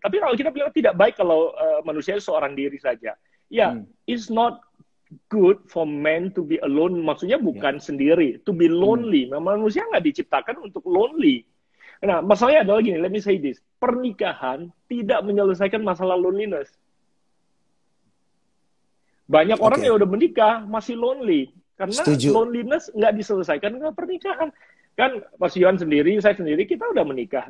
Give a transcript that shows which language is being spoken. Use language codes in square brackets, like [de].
[id] Tapi Alkitab bilang tidak baik kalau manusia itu seorang diri saja. [en] Ya, it's not good for man to be alone. [id] Maksudnya bukan sendiri. [en] To be lonely. [id] Memang manusia nggak diciptakan untuk lonely. Nah, masalahnya adalah gini. [en] Let me say this. [id] Pernikahan tidak menyelesaikan masalah loneliness. Banyak orang yang udah menikah masih lonely. Karena Setuju. loneliness nggak diselesaikan dengan pernikahan. Kan Mas Yohan sendiri, saya sendiri, kita udah menikah.